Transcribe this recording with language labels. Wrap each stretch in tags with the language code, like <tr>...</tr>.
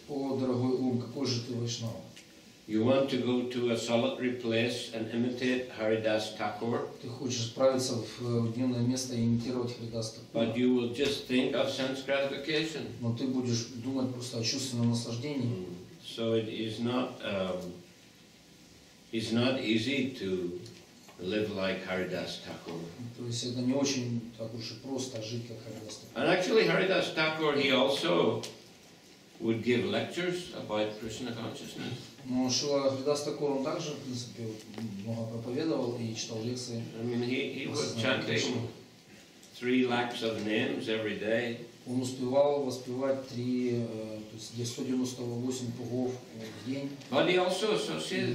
<ru>О, дорогой ум, какой же ты Вайшнав?</ru> <en>You want to go to a solitary place and imitate Haridas Thakur?</en> <ru>Ты хочешь отправиться в уединенное место и имитировать Харидас Такур?</ru> <en>But you will just think of sense gratification.</en> <ru>Но ты будешь думать просто о чувственном наслаждении.</ru> <en>So it is not it's not easy to live like Haridas Thakur.</en> <ru>То есть это не очень так уж и просто жить как Харидас Такур.</ru> <en>And actually, Haridas Thakur, he also would give lectures about Krishna consciousness.</en> <ru>Но Шрила Харидас Такур он также, в принципе, много проповедовал и читал лекции.</ru> <en>I mean, he was chanting 3 lakhs of names every day.</en> <ru>Он успевал воспевать 3, то есть 198 кругов в день.</ru> <en>But he also associated.</en>